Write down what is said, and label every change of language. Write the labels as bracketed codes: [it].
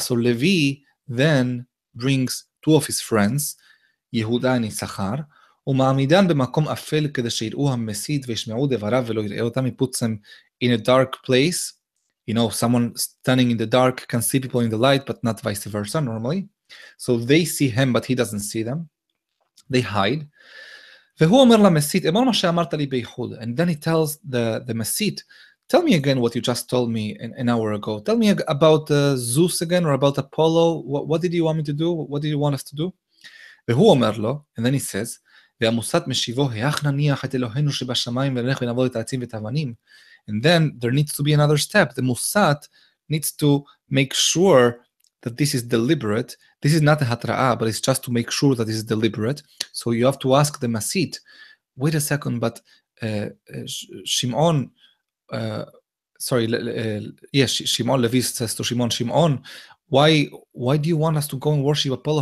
[en] So Levi then brings two of his friends, Yehuda and Issachar, [he] ומעמידן במקום אפל כדי שיראו המסיד וישמעו דבריו ולא יראה אותם. [en] He puts them in a dark place. You know, someone standing in the dark can see people in the light, but not vice versa normally. So they see him, but he doesn't see them. They hide. [he] והוא אומר למסיד, אמר מה שאמרת לי בייחוד. [en] And then he tells the מסיד, tell me again what you just told me an hour ago. Tell me about Zeus again, or about Apollo. What did you want me to do? What did you want us to do? [he] והוא אומר לו, [en] and then he says, [he] והמוסד משיבו, היאך נניח את אלוהינו שבשמיים ונלך ונעבוד את העצים ואת האבנים. [en] And then there needs to be another step. The מוסד needs to make sure that this is deliberate. This is not a התראה, but it's just to make sure that this is deliberate. So you have to ask the מסית, wait a second, but Shimon, Shimon Levi says to Shimon, why do you want us to go and worship Apollo?